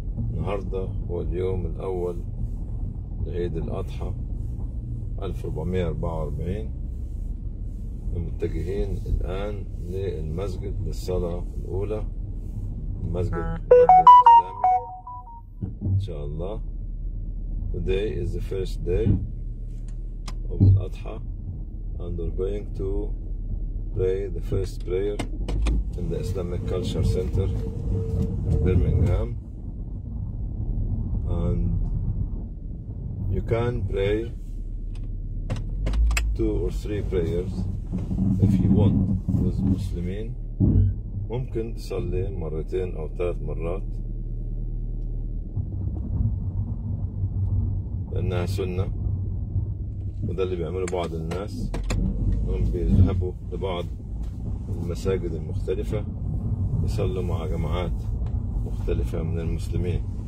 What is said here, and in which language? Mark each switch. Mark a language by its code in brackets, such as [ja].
[ar] النهاردة هو اليوم الأول لعيد الأضحى 1444. متجهين الآن للمسجد للصلاة الأولى المسجد الإسلامي إن شاء الله. [en] Today is the first day of Adha and we're going to pray the first prayer in the Islamic Culture Center in Birmingham, and you can pray two or three prayers if you want with Muslimin. [ar] ممكن تصلي مرتين أو ثلاث مرات لأنها سنة، وده اللي بيعمله بعض الناس. هم بيذهبوا لبعض المساجد المختلفة يصلوا مع جماعات مختلفة من المسلمين.